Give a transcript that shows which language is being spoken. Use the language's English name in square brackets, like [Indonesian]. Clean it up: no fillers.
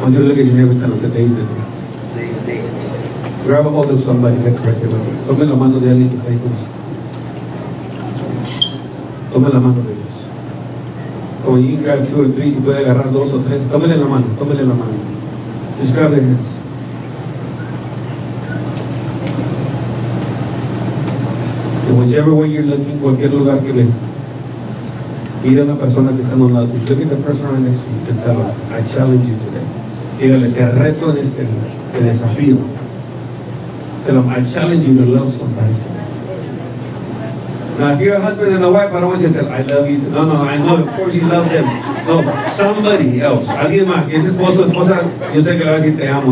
[English] Want you to look at your neighbor's channel. Today is the day. Grab a hold of somebody that's right there. [Spanish] Tome la mano de alguien que está ahí con usted. Tome la mano de Dios. Como [English] you grab two or three, [Spanish] si puede agarrar dos o tres, tómele la mano. Tómele la mano. [English] Just grab their hands. In whichever way you're looking, [Spanish] cualquier lugar que ve. Mira a la persona que está en un lado. [English] Look at the person on next to you and tell her, I challenge you today. [Spanish] Dígale, te reto en este día. Te desafío. [English] Tell them, I challenge you to love somebody today. Now, if you're a husband and a wife, I don't want you to tell, I love you too. No, no, I know, of course you love them. No, somebody else. [Spanish] Alguien más. Si es esposo o esposa, yo sé que le va a decir, te amo.